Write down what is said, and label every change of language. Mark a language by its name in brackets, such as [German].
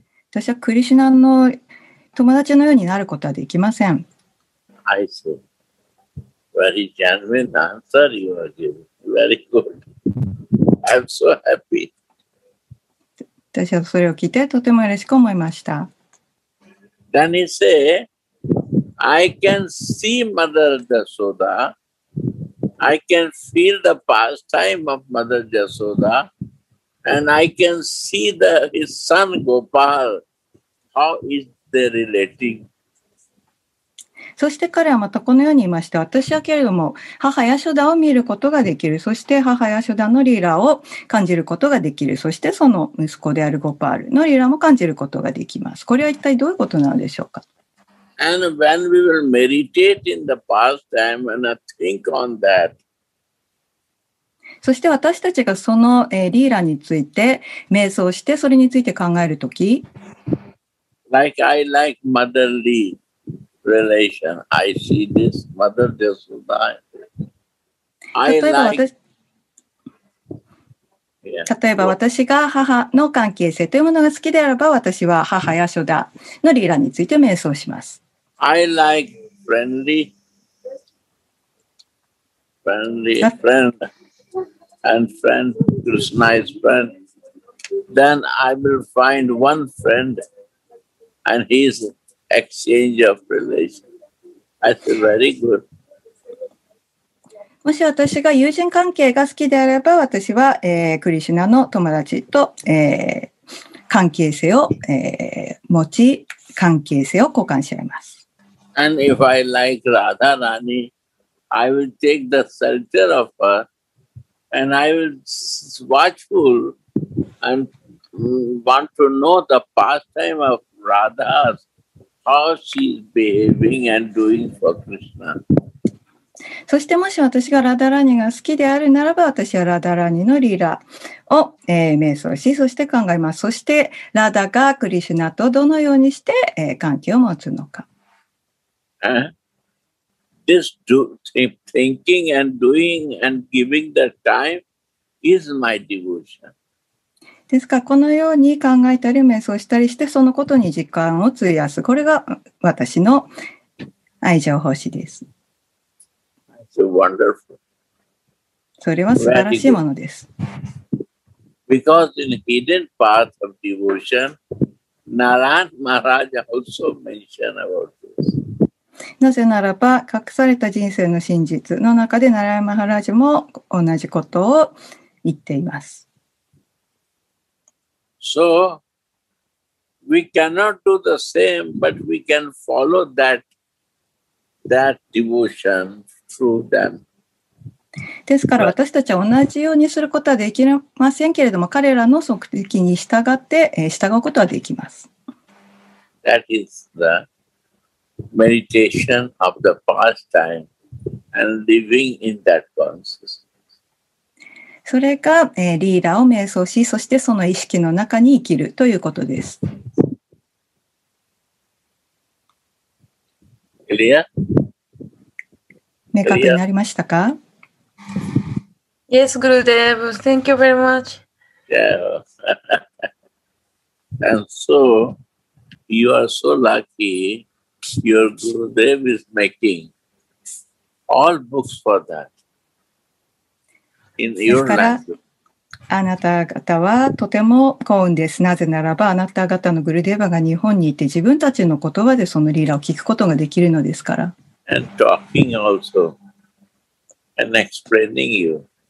[Japanese] 私はクリシュナの友達のようになることはできません。 [English] I see. Very genuine answer you are giving. Very good. I'm so happy. [Japanese] 私はそれを聞いてとても嬉しく思いました。 [English] Then he say, I can see Mother Yashoda. I can feel the pastime of Mother Yashoda. And I can see his son Gopal. How is they relating? [Japanese] そして彼はまたこのように言いました。私はけれども母ヤショダを見ることができる、そして母ヤショダのリーラを感じることができる、そしてその息子であるゴパールのリーラも感じることができます。これは一体どういうことなんでしょうか。 [English] And when we will meditate in the past time and I think on that. [Japanese] そして私たちがそのリーラについて瞑想してそれについて考えるとき、 [English] Like I like motherly relation. I see this mother Yasoda. I like. [Japanese] 例えば私が母の関係性というものが好きであれば、私は母ヤショダのリーラについて瞑想します。 [English] I like friendly friend and friend Krishna is friend. Then I will find one friend. And his exchange of relation. That's very good. [Japanese] もし私が友人関係が好きであれば、私は、クリシュナの友達と、関係性を、持ち、関係性を交換し合います。 [English] And if I like Radharani, I will take the shelter of her and I will watchful and want to know the pastime ofRadha, how she's behaving and doing for Krishna. [Japanese] そしてもし私がラダラニが好きであるならば、私はラダラニのリーラを、瞑想し、そして考えます。そしてラダがクリシュナとどのようにして、関係を持つのか。 [English] This thinking and doing and giving the time is my devotion. [Japanese] ですから、このように考えたり瞑想したりして、そのことに時間を費やす、これが私の愛情奉仕です。 [English] That's wonderful. [Japanese] それは素晴らしいものです。 [English] Because in hidden part of devotion, Narayan Maharaj also mentioned about this. [Japanese] なぜならば、隠された人生の真実の中で Narayan Maharaj も同じことを言っています。 [English] So, we cannot do the same, but we can follow that devotion through them. [Japanese] ですから、私たちは同じようにすることはできませんけれども、彼らの足跡に従って、従うことはできます。 [English] That is the meditation of the pastime and living in that consciousness. [Japanese] それが、リーラを瞑想し、そしてその意識の中に生きるということです。エリア、明確になりましたか？ [English] Yes, Gurudev. Thank you very much. Yeah. And so, you are so lucky. Your Gurudev is making all books for that. [Japanese] ですから、あなた方はとても幸運です。なぜならば、あなた方のグルデーバが日本にいて、自分たちの言葉でそのリーラを聞くことができるのですから。 [English] And talking also, and explaining you.